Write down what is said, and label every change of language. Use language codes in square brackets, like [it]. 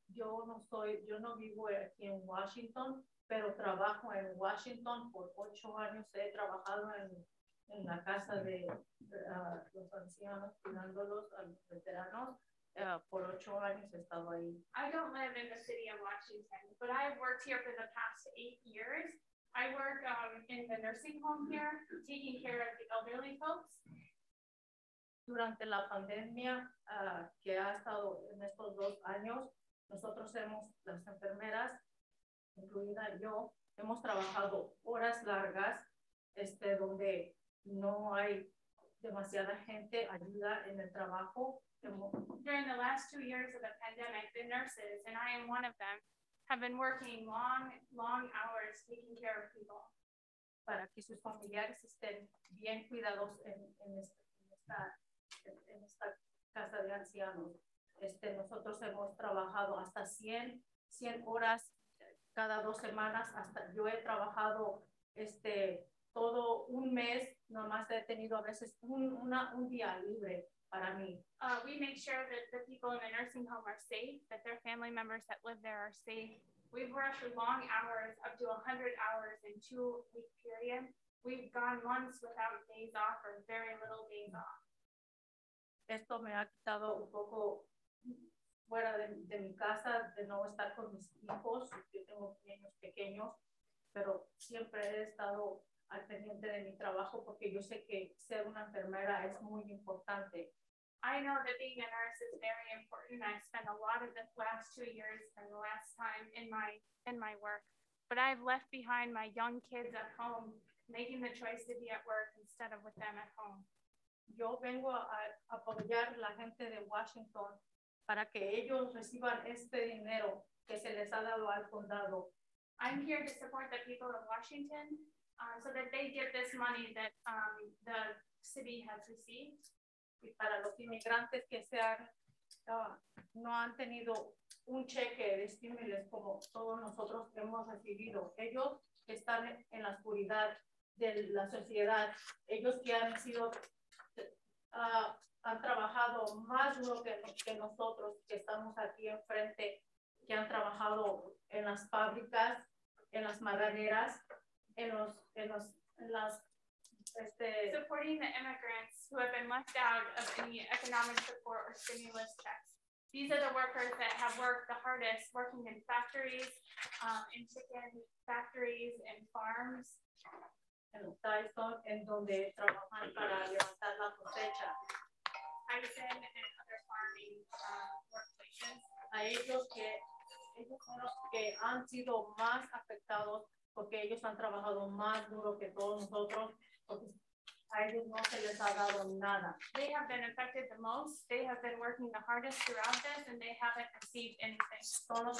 [es] Yo no vivo aquí en Washington, pero trabajo en Washington. Por 8 años he trabajado en la casa de los ancianos, cuidándolos a los veteranos. Por 8 años he estado ahí. [en] I don't live in the city of Washington, but I've worked here for the past 8 years, I work in the nursing home here, taking care of the elderly folks. [es] Durante la pandemia que ha estado en estos dos años, nosotros hemos, las enfermeras, incluida yo, hemos trabajado horas largas, donde no hay demasiada gente ayuda en el trabajo. [en] During the last 2 years of the pandemic, the nurses, and I am one of them, have been working long, long hours taking care of people. [es] Para que sus familiares estén bien cuidados en esta casa de ancianos. Nosotros hemos trabajado hasta 100 horas cada dos semanas. Hasta yo he trabajado todo un mes, nomás he tenido a veces un día libre para mí. [en] We make sure that the people in the nursing home are safe, that their family members that live there are safe. We've worked for long hours, up to 100 hours in 2 week period. We've gone months without days off or very little days off. [es] Esto me ha quitado un poco fuera de mi casa, de no estar con mis hijos. Yo tengo niños pequeños, pero siempre he estado al pendiente de mi trabajo porque yo sé que ser una enfermera es muy importante. [en] I know that being a nurse is very important. I spent a lot of the last 2 years and the last time in my work, but I've left behind my young kids at home, making the choice to be at work instead of with them at home. [es] Yo vengo a apoyar la gente de Washington para que ellos reciban este dinero que se les ha dado al condado. [en] I'm here to support the people of Washington so that they get this money that the city has received. [es] Y para los inmigrantes que no han tenido un cheque de estímulos como todos nosotros hemos recibido. Ellos están en la oscuridad de la sociedad. Ellos que han sido... han trabajado más duro que nosotros que estamos aquí enfrente, que han trabajado en las fábricas, en las madereras, en las [en] supporting the immigrants who have been left out of any economic support or stimulus checks. These are the workers that have worked the hardest, working in factories, in chicken factories and farms. [es] En donde trabajan para levantar la cosecha. [en] Tyson and other farming workplaces. [es] A ellos son los que han sido más afectados porque ellos han trabajado más duro que todos nosotros porque a ellos no se les ha dado nada. [en] They have been affected the most. They have been working the hardest throughout this and they haven't received anything.